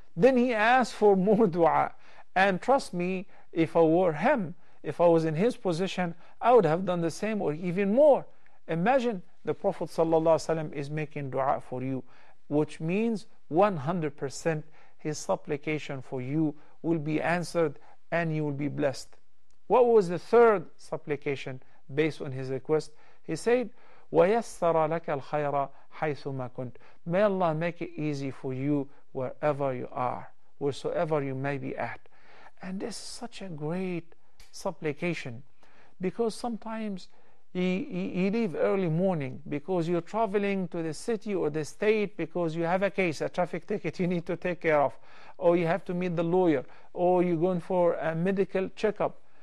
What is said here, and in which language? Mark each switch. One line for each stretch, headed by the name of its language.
English: Then he asked for more dua. And trust me, if I were him, if I was in his position, I would have done the same or even more. Imagine the Prophet ﷺ is making dua for you, which means 100% his supplication for you will be answered and you will be blessed. What was the third supplication based on his request? He said,
Arabic: وَيَسَّرَ لَكَ الْخَيْرَ حَيْثُمَا كُنْتْ.
English: May Allah make it easy for you wherever you are, wheresoever you may be at. And this is such a great supplication, because sometimes you leave early morning because you're traveling to the city or the state because you have a case, a traffic ticket you need to take care of, or you have to meet the lawyer, or you're going for a medical checkup.